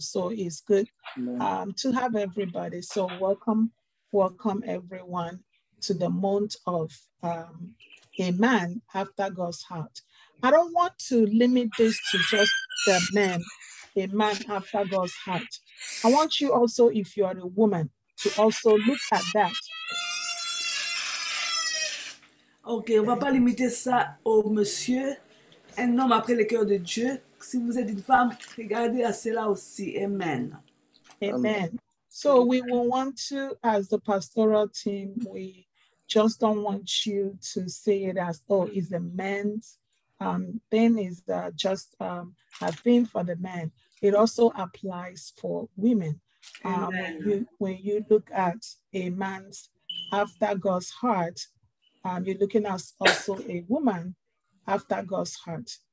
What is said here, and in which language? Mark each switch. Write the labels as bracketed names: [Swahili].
[English] So it's good to have everybody. So welcome everyone to the month of a man after God's heart. I don't want to limit this to just the men, a man after God's heart. I want you also, if you are a woman, to also look at that. [French] Okay, on va pas limiter ça au monsieur, un homme après le cœur de Dieu. Si vous êtes une femme, regardez à cela aussi. Amen. Amen. [English] So we will want to, as the pastoral team, we just don't want you to say it as, oh, it's a man's thing, is just a thing for the man. It also applies for women. When you look at a man's after God's heart, you're looking at also a woman after God's heart.